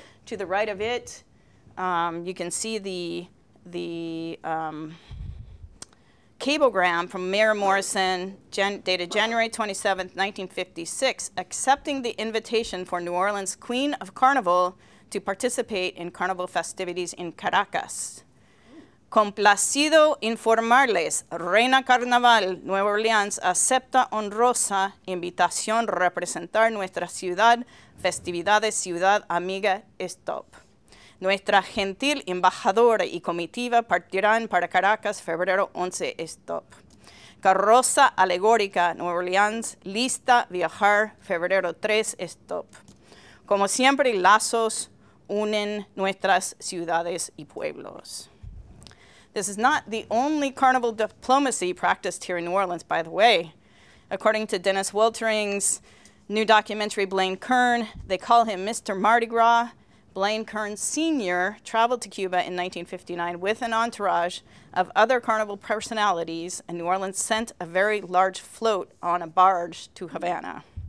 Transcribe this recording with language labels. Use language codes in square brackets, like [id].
[en] To the right of it, you can see the cablegram from Mayor Morrison, dated January 27th, 1956, accepting the invitation for New Orleans' Queen of Carnival to participate in carnival festivities in Caracas. [es] "Complacido informarles, Reina Carnaval, Nueva Orleans acepta honrosa invitación representar nuestra ciudad, festividades ciudad amiga, stop. Nuestra gentil embajadora y comitiva partirán para Caracas, febrero 11, stop. Carroza alegórica, Nueva Orleans, lista viajar, febrero 3, stop. Como siempre, lazos unen nuestras ciudades y pueblos." [en] This is not the only carnival diplomacy practiced here in New Orleans, by the way. According to Dennis Wiltering's new documentary, Blaine Kern, they call him Mr. Mardi Gras, Blaine Kern Sr. traveled to Cuba in 1959 with an entourage of other carnival personalities, and New Orleans sent a very large float on a barge to Havana.